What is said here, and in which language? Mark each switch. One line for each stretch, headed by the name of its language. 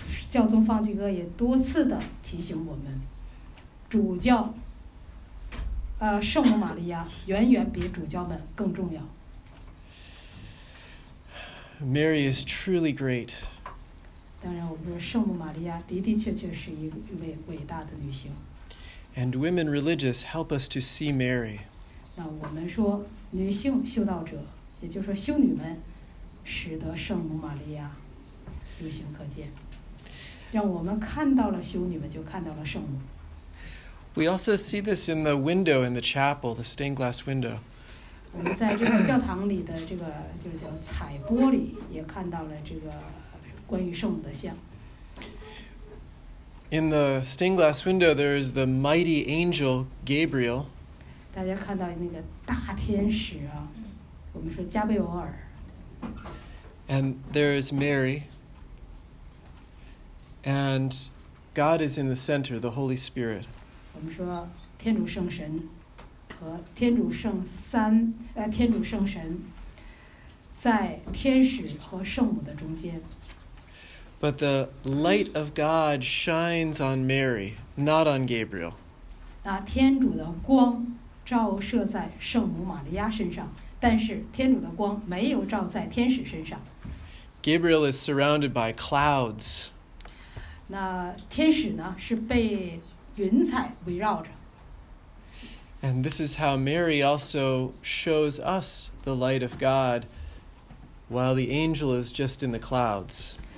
Chinese: 教宗方济各也多次的提醒我们，主教，圣母玛利亚远远比主教们更重要。
English: Mary is truly great.
Chinese: 当然，我们说圣母玛利亚的的确确是一位伟大的女性。
English: And women religious help us to see Mary.
Chinese: 我们说女性修道者，也就是说修女们，使得圣母玛利亚有形可见，让我们看到了修女们，就看到了圣母。
English: We also see this in the window in the chapel, the stained glass window.
Chinese: 我们在这个教堂里的这个就叫彩玻璃，也看到了这个关于圣母的像。
English: In the stained glass window, there is the mighty angel Gabriel.
Chinese: 大家看到那个大天使啊，我们说加贝欧尔。
English: And there is Mary. And God is in the center, the Holy Spirit.
Chinese: 天主圣神在天使和圣母的中间。
English: But the light of God shines on Mary, not on Gabriel.
Chinese: 那天主的光照射在圣母玛利亚身上，但是天主的光没有照在天使身上。
English: Gabriel is surrounded by clouds.
Chinese: 那天使呢，是被云彩围绕着。
English: And this is how Mary also shows us the light of God while the angel is just in the clouds.